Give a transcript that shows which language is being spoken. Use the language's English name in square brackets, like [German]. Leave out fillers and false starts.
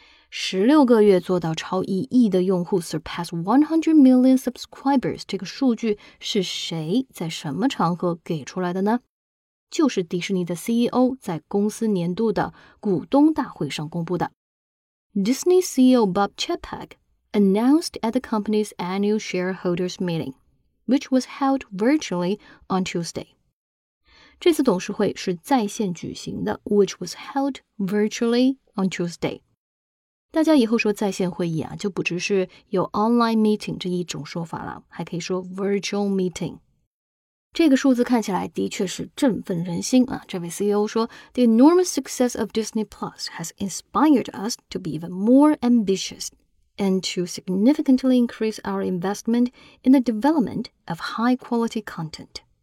[Chinese] 16个月做到超1亿的用户 [English] surpass 100 million subscribers [Chinese] 这个数据是谁在什么场合给出来的呢？就是迪士尼的 CEO 在公司年度的股东大会上公布的。 [English] Disney CEO Bob Chapek announced at the company's annual shareholders meeting, which was held virtually on Tuesday. [Chinese] 这次董事会是在线举行的 [English] which was held virtually on Tuesday. [Chinese] 大家以后说在线会议啊，就不只是有 online meeting 这一种说法了，还可以说 virtual meeting。这个数字看起来的确是振奋人心啊！这位 CEO 说 [English] ，The enormous success of Disney Plus has inspired us to be even more ambitious and to significantly increase our investment in the development of high quality content.